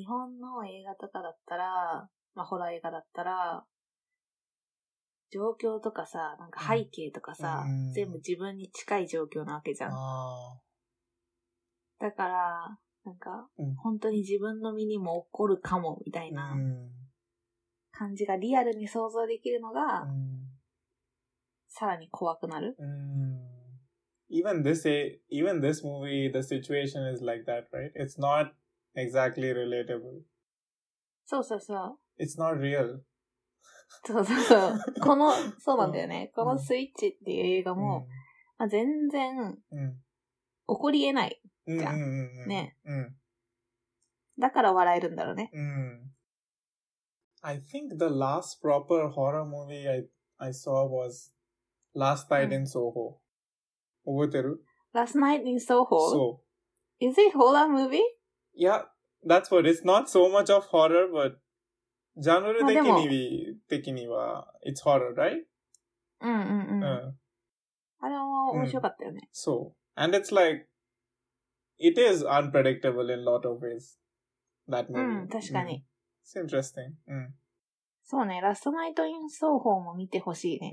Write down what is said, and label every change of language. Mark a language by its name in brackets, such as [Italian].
[Japanese] 日本の映画とかだったら、まあ、ホラー映画だったら、状況とかさ、なんか背景とかさ、うん、全部自分に近い状況なわけじゃん。あ、だから、なんか、うん、本当に自分の身にも起こるかも、みたいな、感じがリアルに想像できるのが、うん、さらに怖くなる。うん、 [English] even this movie, the situation is like that, right? It's not exactly relatable. [Japanese] そうそうそう。 [English] It's not real. [Japanese] そうそうそう。この、そうなんだよね。このスイッチっていう映画も、うん、まあ、全然、うん、起こり得ないじゃん。うんうんうん、ね、うん。だから笑えるんだろうね。うん。 [English] I think the last proper horror movie I saw was Last Night in Soho. [Japanese] 覚えてる？ [English] Last Night in Soho? [Japanese] そう。 [English] Is it a horror movie? Yeah, that's what. It's not so much of horror, but [Japanese] ジャンル的に、まあ、的には、 [English] it's horror, right? [Japanese] うんうんうん。うん、あれは面白かったよね、うん。そう。 [English] And it's like, it is unpredictable in a lot of ways. That movie. [Japanese] うん、確かに。うん、 [English] it's interesting. うん。 [Japanese] そうね、ラストナイトイン奏法も見てほしいね。